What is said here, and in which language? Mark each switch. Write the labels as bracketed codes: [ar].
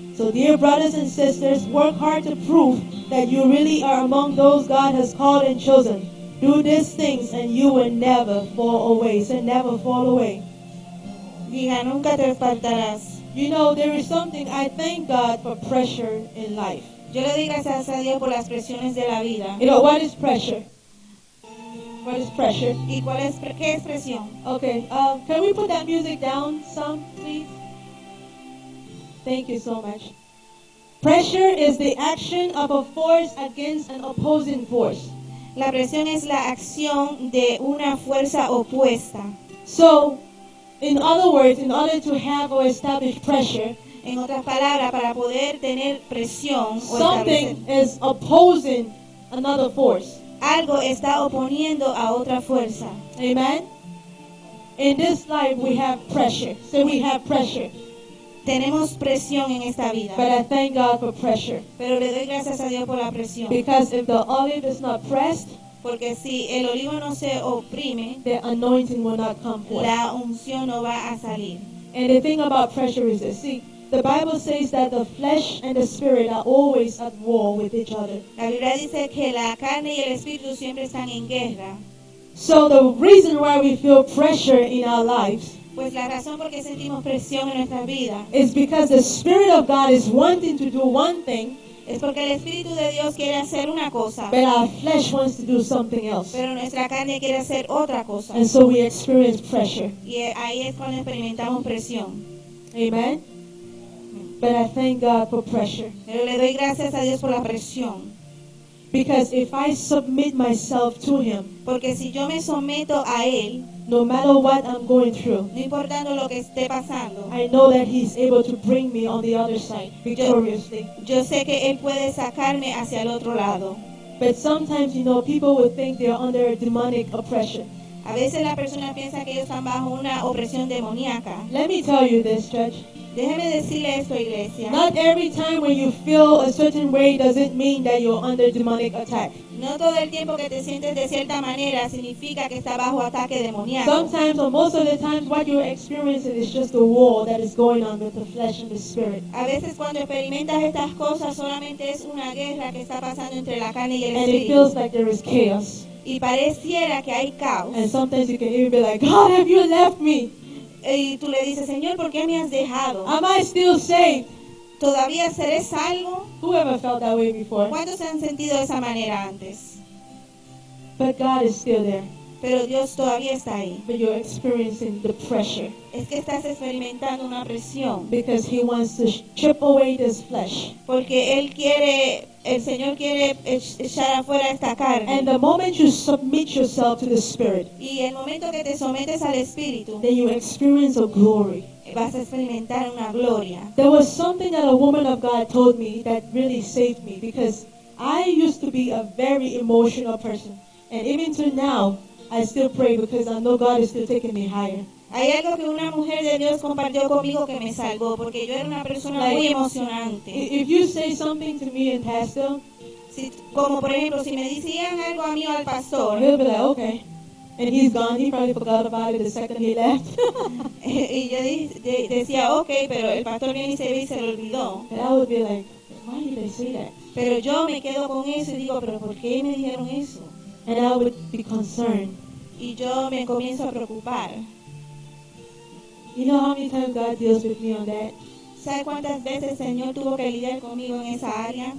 [en] So dear brothers and sisters, work hard to prove that you really are among those God has called and chosen. Do these things and you will never fall away. So never fall away. [es] Diga, nunca te faltarás. [en] You know, there is something I thank God for pressure in life. [es] Yo le doy gracias a Dios por las presiones de la vida. [en] You know, what is pressure? What is pressure? [es] ¿Y cuál es, qué es presión? [en] Okay, can we put that music down some, please? Thank you so much. Pressure is the action of a force against an opposing force. [es] La presión es la acción de una fuerza opuesta. [en] So, in other words, in order to have or establish pressure, [es] en otras palabras, para poder tener presión, [en] something is opposing another force. [es] Algo está oponiendo a otra fuerza. [en] Amen. In this life we have pressure. So we have pressure. [es] Tenemos presión en esta vida. [en] But I thank God for pressure. [es] Pero le doy gracias a Dios por la presión. [en] Because if the olive is not pressed, [es] porque si el olivo no se oprime, [en] the anointing will not come forth. [es] La unción no va a salir. [en] And the thing about pressure is this. See, the Bible says that the flesh and the spirit are always at war with each other. [es] La Biblia dice que la carne y el espíritu siempre están en guerra. [en] So the reason why we feel pressure in our lives, [es] pues la razón por qué sentimos presión en nuestra vida, [en] is because the Spirit of God is wanting to do one thing, [es] es porque el Espíritu de Dios quiere hacer una cosa, [en] but our flesh wants to do something else. [es] Pero nuestra carne quiere hacer otra cosa. [en] And so we experience pressure. [es] Y ahí es cuando experimentamos presión. [en] Amen. But I thank God for pressure. [es] Pero le doy gracias a Dios por la presión. [en] Because if I submit myself to Him, [es] porque si yo me someto a Él, [en] no matter what I'm going through, [es] no importando lo que esté pasando, [en] I know that He's able to bring me on the other side victoriously. [es] Yo sé que Él puede sacarme hacia el otro lado. [en] But sometimes, you know, people will think they are under a demonic oppression. [es] A veces la persona piensa que ellos están bajo una opresión demoníaca. [en] Let me tell you this, church. [es] Déjeme decirle esto, iglesia. [en] Not every time when you feel a certain way does it mean that you're under demonic attack. [es] No todo el tiempo que te sientes de cierta manera significa que está bajo ataque demoníaco. [en] Sometimes or most of the times what you're experiencing is just a war that is going on with the flesh and the spirit. [es] A veces cuando experimentas estas cosas solamente es una guerra que está pasando entre la carne y el espíritu. [en] And it feels like there is chaos. [es] Y pareciera que hay caos. [en] And sometimes you can even be like, God, have you left me? [es] Y tú le dices, Señor, ¿por qué me has dejado? [en] Am I still saved? [es] ¿Todavía seré salvo? [en] Who ever felt that way before? [es] ¿Cuántos se han sentido de esa manera antes? [en] But God is still there. [es] Pero Dios todavía está ahí. [en] But you're experiencing the pressure. [es] Es que estás experimentando una presión. [en] Because he wants to chip away this flesh. [es] Porque él quiere, el Señor quiere echar afuera esta carne. [en] And the moment you submit yourself to the Spirit, [es] y el momento que te sometes al Espíritu, [en] then you experience a glory. [es] Vas a experimentar una gloria. [en] There was something that a woman of God told me that really saved me, because I used to be a very emotional person, and even to now, I still pray because I know God is still taking me higher. [es] Hay algo que una mujer de Dios compartió conmigo que me salvó, porque yo era una persona [en] like, [es] muy emocionante. [en] If you say something to me in pastor, [es] si, como por ejemplo, si me decían algo a mí o al pastor, [en] he'll be like, okay. And he's gone, he probably forgot about it the second he left. [es] Y yo decía, okay, pero el pastor viene y se ve y se lo olvidó. [en] But I would be like, why did they say that? [es] Pero yo me quedo con eso y digo, pero ¿por qué me dijeron eso? [en] And I would be concerned. [es] Y yo me comienzo a preocupar. [en] You know how many times God deals with me on that? [es] ¿Sabes cuántas veces el Señor tuvo que lidiar conmigo en esa área?